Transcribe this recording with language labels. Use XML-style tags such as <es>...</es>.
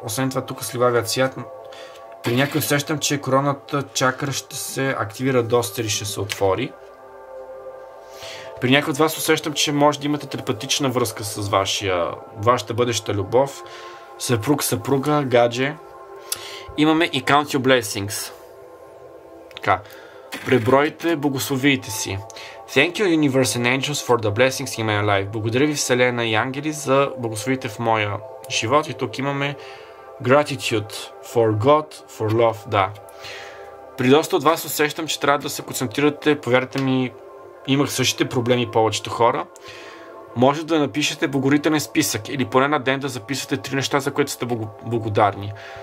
<bg>Освен това, тук сливавят свят. При някой усещам, че короната чакра ще се активира доста и ще се отвори. При някой от вас усещам, че може да имате телепатична връзка с вашата бъдеща любов. Съпруг, съпруга, гадже. Имаме и</bg> <en>Count Your Blessings.</en> <bg>Така. Пребройте благословиите си.</bg> <en>Thank you, Universe and Angels, for the blessings in my life.</en> <bg>Благодаря ви, Вселена и Ангели, за благословиите в моя живот. И тук имаме</bg> <en>Gratitude for God, for love.</en> <bg>Да. При доста от вас усещам, че трябва да се концентрирате. Повярвайте ми, имах същите проблеми повечето хора. Може да напишете благодарителен списък или поне на ден да записвате три неща, за които сте благодарни.</bg>